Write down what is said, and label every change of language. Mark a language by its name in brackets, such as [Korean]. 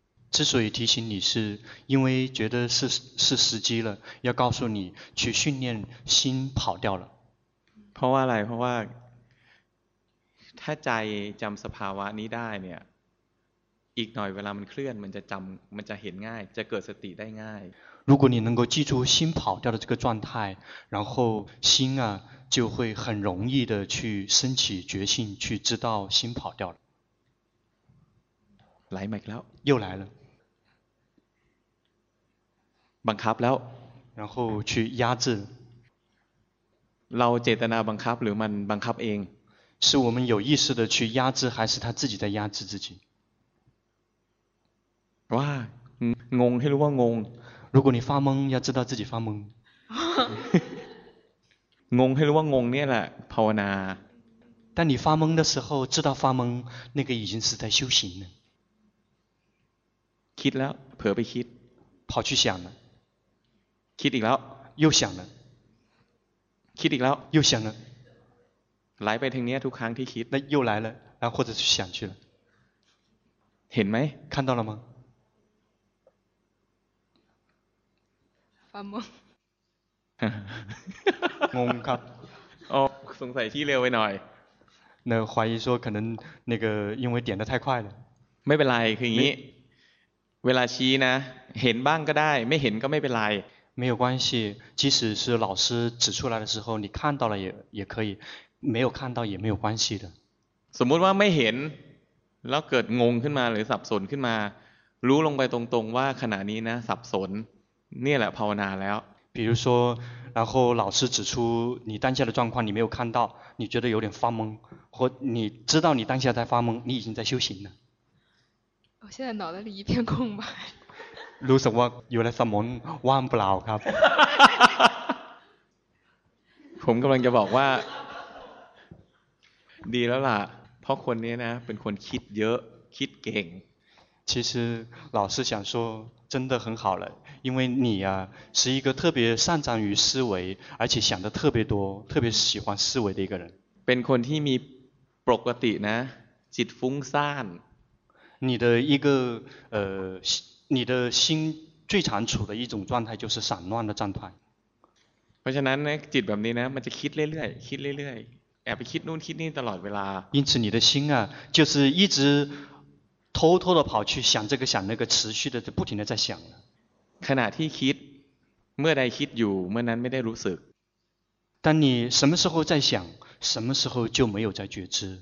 [Chinese] 之所以提醒你是因为觉得是时机了，要告诉你去训练心跑掉了。 [Thai] เพราะว่าอะไรเพราะว่าถ้าใจจำสภาวะนี้ได้เนี่ยอีกหน่อยเวลามันเคลื่อนมันจะจำมันจะเห็นง่ายจะเกิดสติได้ง่าย [Chinese] 如果你能够记住心跑掉的这个状态然后心啊就会很容易的去升起决心去知道心跑掉了 [Thai] 来ไหมแล้ว [Chinese] 又来了 [Thai] บังคับแล้ว [Chinese] 然后去压制 [Thai] เราเจตนาบังคับหรือมันบังคับเอง [Chinese] 是我们有意识的去压制还是他自己在压制自己 [Thai] ว่าง งให้รู้ว่างง [Chinese] 如果你发懵要知道自己发懵 [Thai] งงให้รู้ว่างงเนี่ยแหละภาวนา [Chinese] 当你发懵的时候知道发懵那个已经是在修行了 [Thai] คิดแล้วเผลอไปคิด [Chinese] 跑去想了 [Thai] คิดอีกแล้ว [Chinese] 又想了 [Thai] คิดอีกแล้ว [Chinese] 又想了 [Thai] ไหลไปทางนี้ทุกครั้งที่คิด [Chinese] 那又来了然后或者想去了 [Thai] เห็นไหม [Chinese] 看到了吗发懵 [Thai] งงครับ โอ้สงสัยที่เร็วไปหน่อย [Chinese] 那怀疑说可能那个因为点的太快了 [Thai] ไม่เป็นไรคืออย่างนี้เวลาชี้นะเห็นบ้างก็ได้ไม่เห็นก็ไม่เป็นไร [Chinese] 没有关系，即使是老师指出来的时候，你看到了也可以，没有看到也没有关系的。 [Thai] สมมติว่าไม่เห็นแล้วเกิดงงขึ้นมาหรือสับสนขึ้นมารู้ลงไปตรงๆว่าขณะนี้นะสับสนเนี่ยแหละภาวนาแล้ว [Chinese] 比如说然后老师指出你当下的状况你没有看到你觉得有点发懵或你知道你当下在发懵你已经在修行了我现在脑袋里一片空白 [Thai] รู้สึกว่าอยู่ในสมองว่างเปล่าครับ ผมกำลังจะบอกว่าดีแล้วล่ะเพราะคนนี้นะเป็นคนคิดเยอะคิดเก่ง [Chinese] 其实老师想说真的很好了因为你啊是一个特别擅长于思维而且想的特别多特别喜欢思维的一个人 [Thai] เป็นคนที่มีปกตินะจิตฟุ้งซ่าน [Chinese] 你的一个你的心最常处的一种状态就是散乱的状态。 [Thai] เพราะฉะนั้นจิตแบบนี้นะมันจะคิดเรื่อยๆคิดเรื่อยๆแอบไปคิดนู่นคิดนี่ตลอดเวลา [Chinese] 因此你的心啊就是一直偷偷的跑去想这个想那个持续的不停的在想 [Thai] ขณะที่คิดเมื่อใดคิดอยู่เมื่อนั้นไม่ได้รู้สึก [Chinese] 当你什么时候在想什么时候就没有在觉知